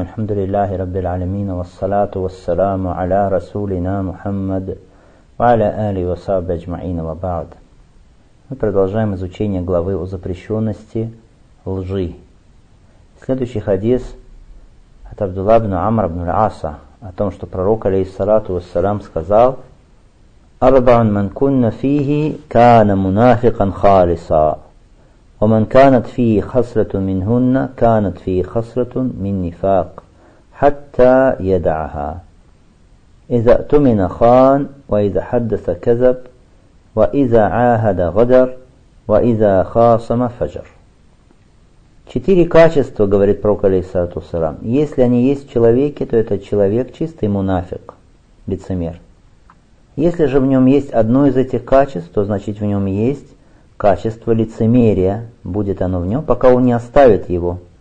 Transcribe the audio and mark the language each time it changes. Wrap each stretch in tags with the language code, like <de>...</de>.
<ar>الحمد لله رب العالمين، والصلاة والسلام على رسولنا محمد وعلى آله وصحبه أجمعين، وبعد.</ar> <ru>Мы продолжаем изучение главы о запрещенности лжи. Следующий хадис от Абдулла ибн Амр ибн Аса о том, что пророк алейхиссалату вассалам сказал:</ru> <ar>«Арбаун ман кунна фихи кана мунафикан халиса». ومن كانت فيه خصلة منهن كانت فيه خصلة من نفاق حتى يدعها إذا اؤتمن خان وإذا حدث كذب وإذا عاهد غدر وإذا خاصم فجر.</ar> <ru>Четыре качества, говорит пророк алейхиссалату вассалам, если они есть в человеке, то этот человек чистый мунафик, лицемер. Если же в нем есть одно из этих качеств, то значит в нем есть качество лицемерия, будет оно в нем, пока он не оставит его.</ru>